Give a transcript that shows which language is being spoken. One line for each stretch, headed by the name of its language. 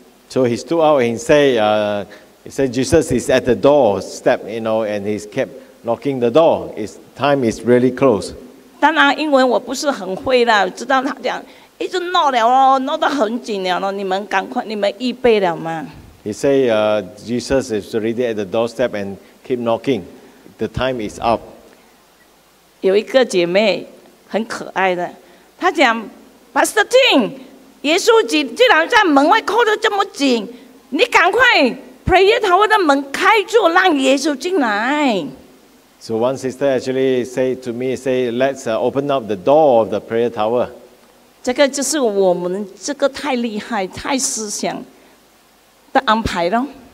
English: So he stood out and he said, Jesus is at the door, step, you know, and he kept knocking the door. His time is really close.
Chinese: 当然，英文我不是很会啦，知道他讲一直闹了哦，闹得很紧了咯。你们赶快，你们预备了吗
English: ？He said, Jesus is already at the doorstep and keep knocking. The time is up.
Chinese: 有一个姐妹很可爱的，她讲 ，Pastor Tim。耶稣既然在门外扣得这么紧，你赶快 prayer tower 的门开住，让耶稣进来。
English: So one sister actually say to me, say, let's open up the door of the prayer tower.
Chinese: 这个就是我们这个太厉害、太思想的安排了。